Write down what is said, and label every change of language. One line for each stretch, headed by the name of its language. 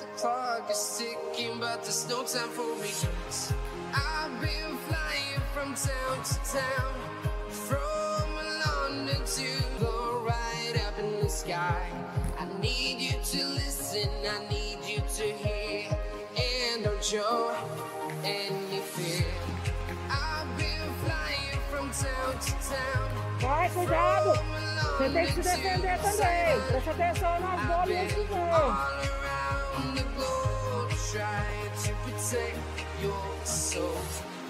English: The clock is ticking, but there's no time for me. I've been flying from town to town, from London to go right up in the sky. I need you to listen, I need you to hear, and don't show any fear. I've been flying from town to town.
Portuguese: Vai, cuidado! Você tem que se defender também. Presta atenção nas bolinhas que vão.
English: All around the globe, try to protect yourself.